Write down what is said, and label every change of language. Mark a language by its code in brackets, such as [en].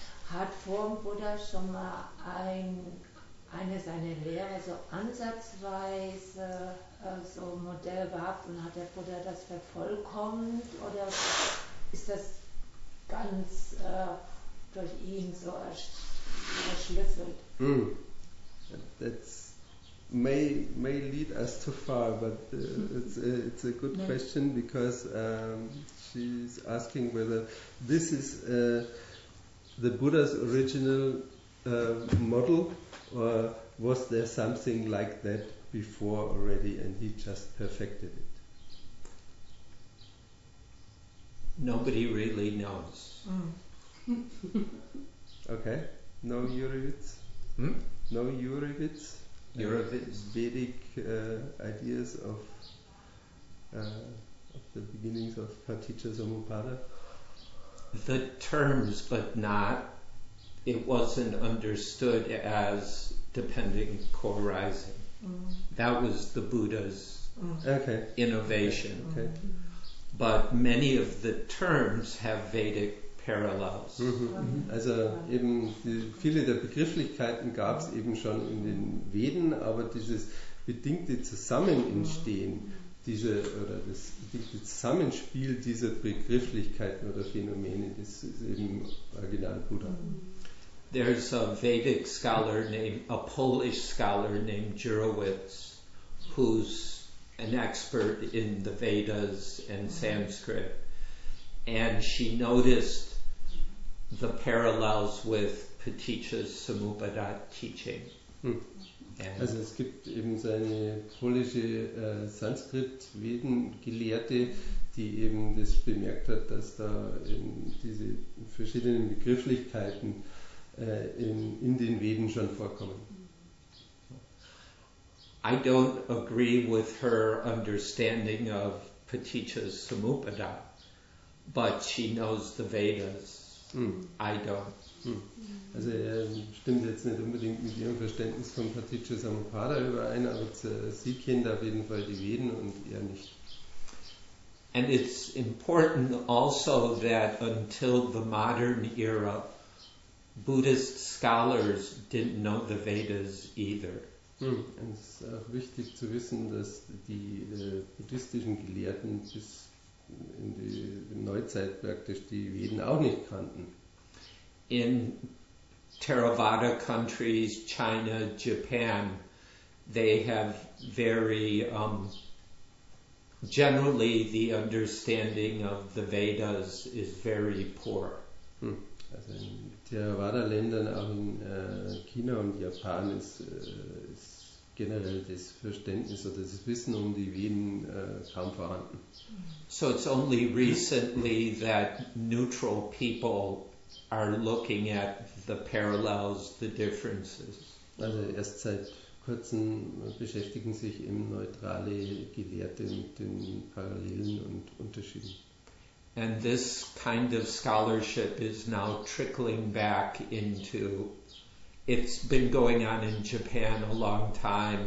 [de] Hat vor dem Buddha schon mal eine seiner Lehre so ansatzweise so ein Modell gehabt und hat der Buddha das vervollkommt oder ist das ganz durch ihn so verschlüsselt? [en] That's may lead us too far, but it's a good question because she's asking whether this is the Buddha's original model or was there something like that before already and he just perfected it? Nobody really knows. Okay. No Jurewitz? No Jurewitz? Jurewitz. Vedic ideas of the beginnings of Paticca-Samuppada? The terms, but not. It wasn't understood as dependent co-arising. That was the Buddha's innovation. Okay. But many of the terms have Vedic parallels. Mm-hmm. Mm-hmm. [de] Also eben viele der Begrifflichkeiten gab es eben schon in den Veden, aber dieses bedingte Zusammenentstehen, oder das bedingte Zusammenspiel dieser Begrifflichkeiten oder Phänomene, das ist eben original Buddha. Mm-hmm. [en] There's a Vedic scholar a Polish scholar named Jurewitz, who's an expert in the Vedas and Sanskrit. And she noticed the parallels with Paticca-Samuppada teaching. Hmm. [de] Also es gibt eben so eine polnische Sanskrit-Veden-Gelehrte, die eben das bemerkt hat, dass da eben diese verschiedenen Begrifflichkeiten in den Veden schon vorkommen. [en] I don't agree with her understanding of Paticca's Samuppada, but she knows the Vedas. Mm. I don't. Mm. [de] Also stimmt jetzt nicht unbedingt mit ihrem Verständnis von Paticca Samuppada überein, aber sie kennt auf jeden Fall die Veden und er nicht. [en] And it's important also that until the modern era, Buddhist scholars didn't know the Vedas either. [de] Und es ist auch wichtig zu wissen, dass die buddhistischen Gelehrten bis in die Neuzeit praktisch die Veden auch nicht kannten. [en] In Theravada countries, China, Japan, they have very generally the understanding of the Vedas is very poor. [de] Also in Theravada-Ländern, auch in China und Japan, ist generell das Verständnis oder das Wissen um die Veden kaum vorhanden. [en] So it's only recently that neutral people are looking at the parallels, the differences. [de] Also erst seit kurzem beschäftigen sich eben neutrale Gelehrte mit den Parallelen und Unterschieden. [en] And this kind of scholarship is now trickling back into. It's been going on in Japan a long time.